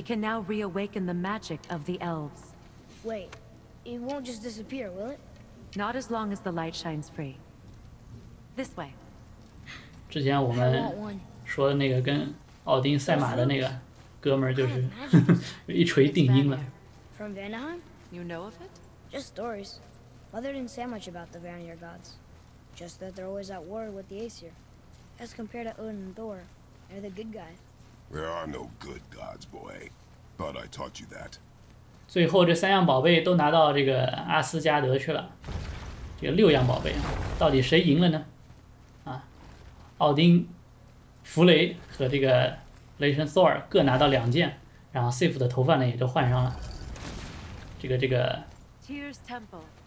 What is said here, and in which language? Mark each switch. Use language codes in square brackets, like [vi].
[en] It can now reawaken the magic of the elves. Wait, it won't just disappear, will it? Not as long as the light shines free. This way. [zh] 之前我们说的那个跟奥丁赛马的那个哥们儿，就是一锤定音了。 [en] From Vanaheim? You know of it? Just stories. Mother didn't say much about the Vanir gods. Just that they're always at war with the Aesir. As compared to Odin and Thor, they're the good guys. There are no good gods, boy. But I taught you that. [zh] 最后这三样宝贝都拿到这个阿斯加德去了。这个六样宝贝，到底谁赢了呢？啊，奥丁、弗雷和这个雷神 Thor 各拿到两件，然后 Sif 的头发呢也都换上了。这个。Tears Temple.